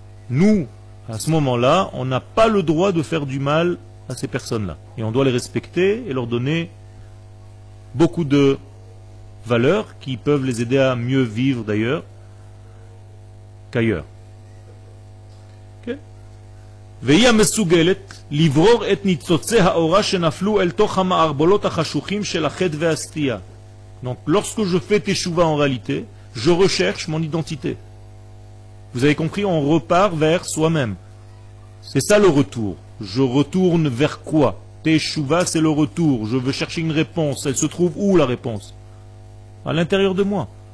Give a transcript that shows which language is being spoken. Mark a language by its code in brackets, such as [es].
[fr] Nous, à ce moment-là, on n'a pas le droit de faire du mal à ces personnes-là. Et on doit les respecter et leur donner beaucoup de valeurs qui peuvent les aider à mieux vivre d'ailleurs qu'ailleurs. [he] והיא המסוגלת לברור את ניצוצי האורה שנפלו אל תוך המערבולות החשוכים של החטא והסטייה. [fr] Donc lorsque je fais teshuva en réalité, je recherche mon identité. Vous avez compris, on repart vers soi-même. C'est ça le retour. Je retourne vers quoi? Teshuva, c'est le retour. Je veux chercher une réponse. Elle se trouve où, la réponse? À l'intérieur de moi.